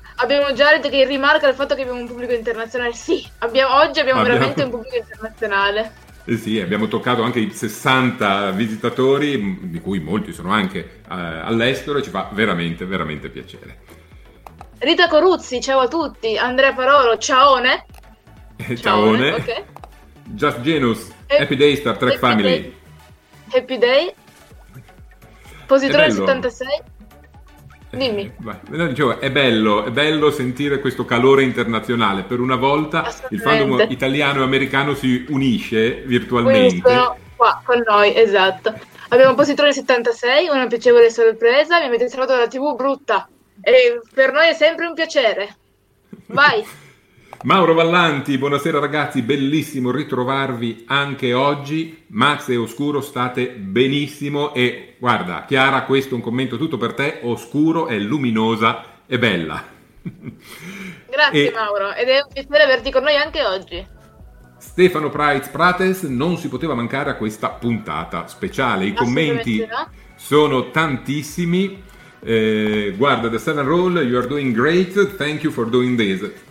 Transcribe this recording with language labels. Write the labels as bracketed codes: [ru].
[it] Abbiamo Jared che rimarca il fatto che abbiamo un pubblico internazionale. Sì, oggi abbiamo veramente un pubblico internazionale. Eh sì, abbiamo toccato anche i 60 visitatori, di cui molti sono anche all'estero, e ci fa veramente, veramente piacere. Rita Coruzzi, ciao a tutti. Andrea Parolo, ciaone. Ciaone. Okay. [en] Just Genus, happy day Star Trek family. Happy day. [it] Positore 76. Dimmi. È bello sentire questo calore internazionale. Per una volta il fandom italiano e americano si unisce virtualmente. Qui sono qua con noi, esatto. Abbiamo Positore 76, una piacevole sorpresa. Mi avete trovato dalla TV brutta. E per noi è sempre un piacere. Vai. Mauro Vallanti, buonasera ragazzi, bellissimo ritrovarvi anche oggi. Max e Oscuro state benissimo e guarda, Chiara, questo è un commento tutto per te, Oscuro è luminosa e bella. Grazie Mauro, ed è un piacere averti con noi anche oggi. Stefano Price Prates, non si poteva mancare a questa puntata speciale, i commenti sono tantissimi. Guarda, [en] The Seven Rule, you are doing great, thank you for doing this.